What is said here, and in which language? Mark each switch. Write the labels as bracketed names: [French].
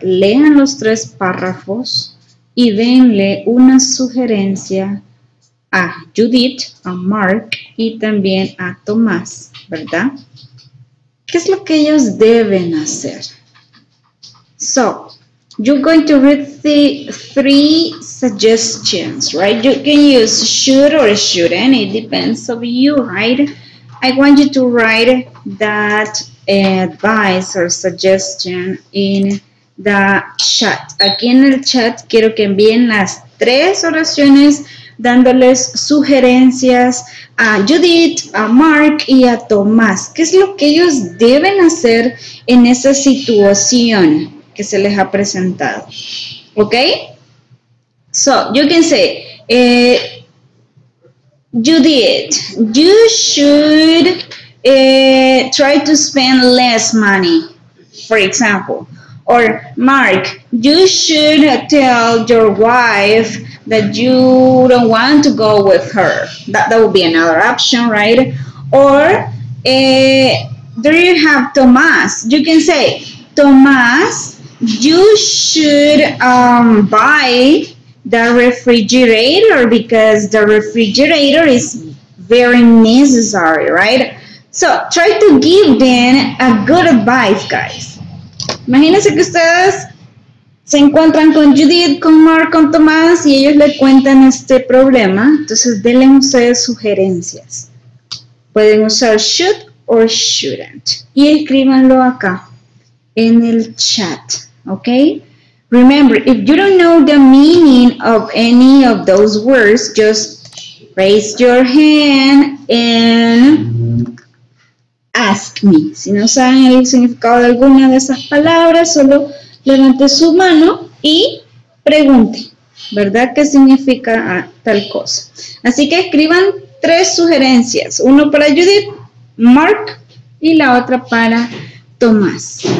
[Spanish] Lean los tres párrafos y denle una sugerencia a Judith, a Mark y también a Tomás, ¿verdad? ¿Qué es lo que ellos deben hacer? [English] So, you're going to read the three suggestions, right? You can use should or shouldn't. It depends on you, right? I want you to write that advice or suggestion in the chat. [Spanish] Aquí en el chat quiero que envíen las tres oraciones dándoles sugerencias a Judith, a Mark y a Tomás. ¿Qué es lo que ellos deben hacer en esa situación que se les ha presentado? [English] Okay? So, you can say, Judith, you should try to spend less money, for example. Or, Mark, you should tell your wife that you don't want to go with her. That would be another option, right? Or, there you have Tomás. You can say, Tomás, you should buy the refrigerator because the refrigerator is very necessary, right? So, try to give them a good advice, guys. [Spanish] Imagínense que ustedes se encuentran con Judith, con Mark, con Tomás y ellos le cuentan este problema. Entonces, denle ustedes sugerencias. Pueden usar [English] should or shouldn't. [Spanish] Y escríbanlo acá en el chat. [English] Okay, remember, if you don't know the meaning of any of those words, just raise your hand and ask me. [Spanish] Si no saben el significado de alguna de esas palabras, solo levante su mano y pregunte, ¿verdad? ¿Qué significa tal cosa? Así que escriban tres sugerencias, uno para Judith, Mark y la otra para Tomás.